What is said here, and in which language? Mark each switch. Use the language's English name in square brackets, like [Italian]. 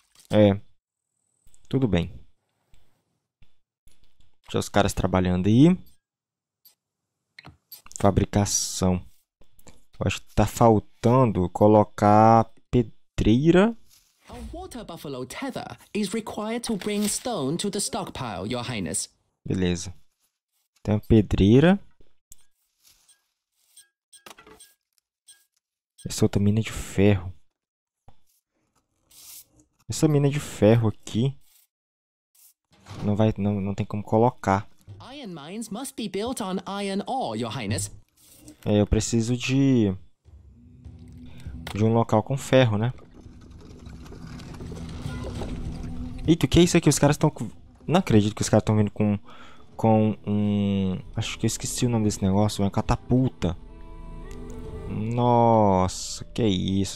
[Portuguese] É. Tudo bem. Deixa os caras trabalhando aí. Fabricação. Eu acho que tá faltando colocar pedreira. [English] A water buffalo tether is required to bring stone to the stockpile, Your Highness. [Portuguese] Beleza. Tem uma pedreira. Essa outra mina de ferro. Essa mina de ferro aqui. Não vai. Não tem como colocar. [English] Iron mines must be built on iron ore, Your Highness. [Portuguese] Eu preciso de um local com ferro, né? Eita, o que é isso aqui? Os caras estão. Não acredito que os caras estão vindo com. Com um. Acho que eu esqueci o nome desse negócio. Uma catapulta. Nossa, que isso.